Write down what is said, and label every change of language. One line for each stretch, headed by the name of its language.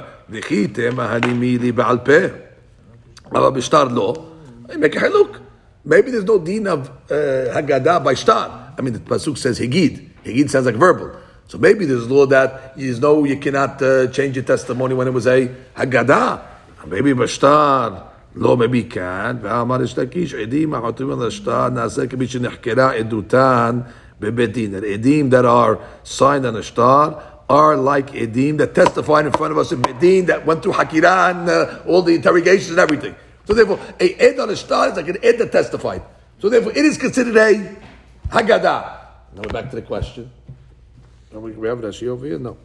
Hebrew: V'chite mahadimili ba'al peh. Aber b'shtar lo.
English: I make a haluk. Maybe there's no din of Haggadah by shtar. I mean, the pasuk says higid. Higid sounds like verbal. So maybe there's a law that is no, you cannot change your testimony when it was a Haggadah. Maybe b'shtar.
Hebrew: לא מביקן, ואמר יש להקיש, עדים החותמים על השטר, נעשה כמי שנחקרה עדותן בבית דין.
English: עדים that are signed on the star are like עדים that testified in front of us in בית דין that went through חקירה and all the interrogations and everything. So therefore, a עד on the star is like an עד that testified. So therefore, it is considered a Haggadah. Now we're back to the question. Are we have Rashi over here? No.